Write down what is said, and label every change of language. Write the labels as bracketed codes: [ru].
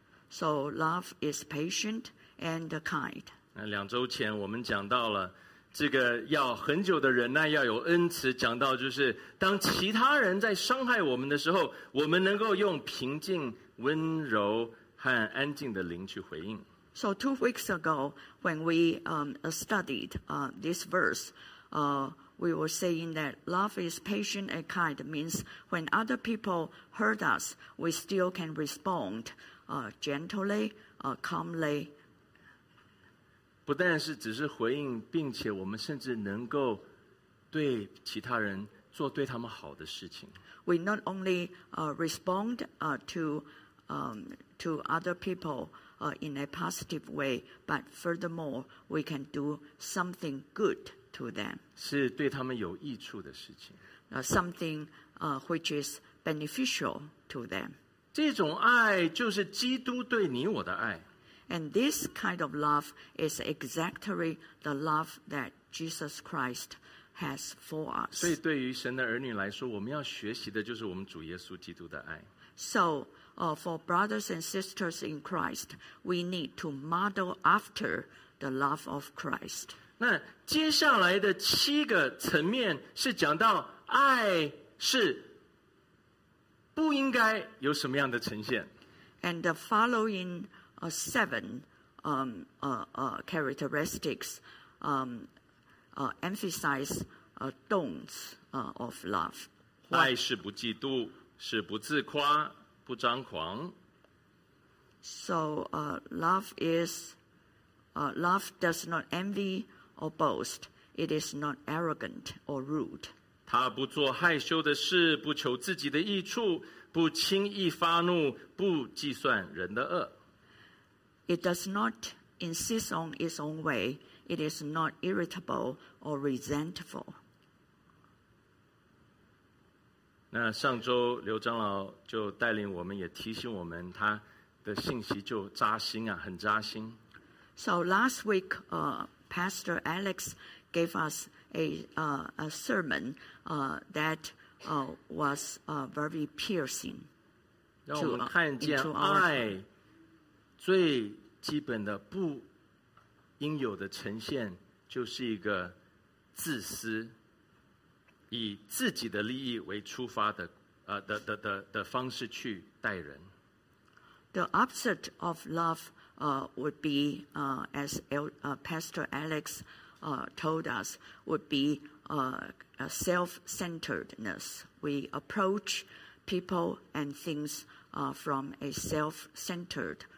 [en] So love is patient and kind. [zh] 那两周前我们讲到了这个要很久的忍耐要有恩慈，讲到就是当其他人在伤害我们的时候，我们能够用平静、温柔和安静的灵去回应。 [en] So 2 weeks ago, when we studied this verse, we were saying that love is patient and kind means when other people hurt us, we still can respond gently, calmly. [zh] 不但是只是回应，并且我们甚至能够对其他人做对他们好的事情。 [en] We not only respond to other people in a positive way, but furthermore, we can do something good to them. [zh] 是对他们有益处的事情。 [en] Something which is beneficial to them. [zh] 这种爱就是基督对你我的爱。 [en] And this kind of love is exactly the love that Jesus Christ has for us. [zh] 所以对于神的儿女来说，我们要学习的就是我们主耶稣基督的爱。 [en] So, for brothers and sisters in Christ, we need to model after the love of Christ. [zh] 那接下来的七个层面是讲到爱是不应该有什么样的呈现。 [en] And the following... seven characteristics emphasize don'ts of love. [zh] 爱是不嫉妒，是不自夸，不张狂。 [en] So love is love does not envy or boast. It is not arrogant or rude. [zh] 他不做害羞的事，不求自己的益处，不轻易发怒，不计算人的恶。 [en] It does not insist on its own way. It is not irritable or resentful. [zh] 那上周刘长老就带领我们，也提醒我们，他的信息就扎心啊，很扎心。 [en] So last week, Pastor Alex gave us a sermon that was very piercing. [zh] 让我们看见爱最基本的不应有的呈现，就是一个自私、以自己的利益为出发的的方式去待人。 [en] The opposite of love would be as Pastor Alex told us would be self-centeredness. We approach people and things from a self-centered.